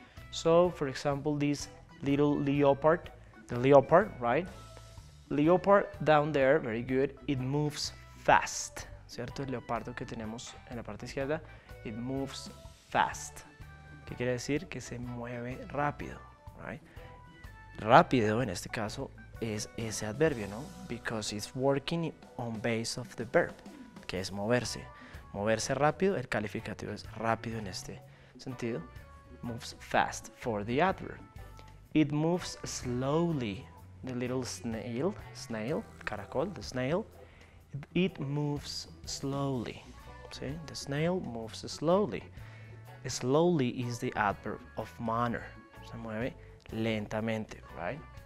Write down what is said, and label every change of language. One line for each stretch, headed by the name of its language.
English: So, for example, this little leopard, the leopard, right? Leopard down there, very good, it moves fast.
Spanish: ¿Cierto? El leopardo que tenemos en la parte izquierda,
English: it moves fast.
Spanish: ¿Qué quiere decir? Que se mueve rápido, right? Rápido, en este caso, es ese adverbio, ¿no?
English: Because it's working on base of the verb,
Spanish: que es moverse. Moverse rápido, el calificativo es rápido en este sentido.
English: Moves fast for the adverb. It moves slowly, the little snail, caracol, the snail. It moves slowly, ¿sí? The snail moves slowly. Slowly is the adverb of manner.
Spanish: Se mueve lentamente,
English: right?